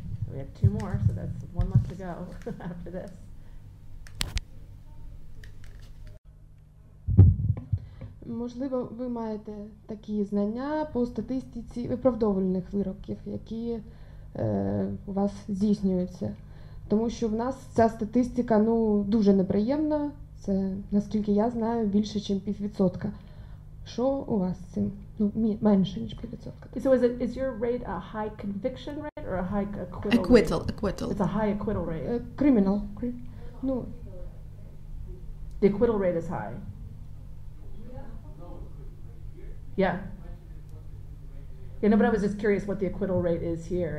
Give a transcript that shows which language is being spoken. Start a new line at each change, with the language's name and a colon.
English: We have two more, so that's one left to go after this.
Ukrainian: Можливо, ви маєте такі знання по статистиці виправдовувальних вироків, які у вас здійснюються. Тому що в нас ця статистика дуже неприємна. Це, наскільки я знаю, більше, ніж 0.5%. Що у вас з цим? Менше, ніж 0.5%.
English: So is your rate a high conviction rate or a high acquittal? Acquittal, rate? Acquittal. It's a high acquittal rate. Criminal. The acquittal rate is high. Yeah. But I was just curious what the acquittal rate is here.